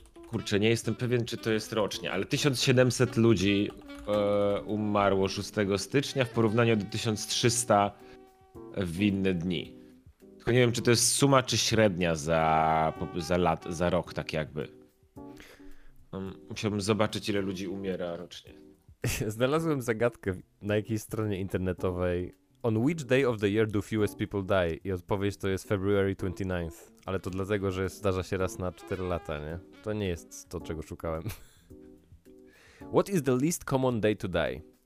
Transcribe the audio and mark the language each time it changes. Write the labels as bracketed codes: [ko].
[pl] kurczę, nie jestem pewien, czy to jest rocznie, ale 1700 ludzi umarło 6 stycznia w porównaniu do 1300 w inne dni. Tylko nie wiem, czy to jest suma, czy średnia za rok, tak jakby. Musiałbym zobaczyć, ile ludzi umiera rocznie. Znalazłem zagadkę na jakiejś stronie internetowej. [en] On which day of the year do fewest people die? [pl] I odpowiedź to jest [en] February 29th. [pl] Ale to dlatego, że zdarza się raz na 4 lata, nie? To nie jest to, czego szukałem. [en] What is the least common day to die?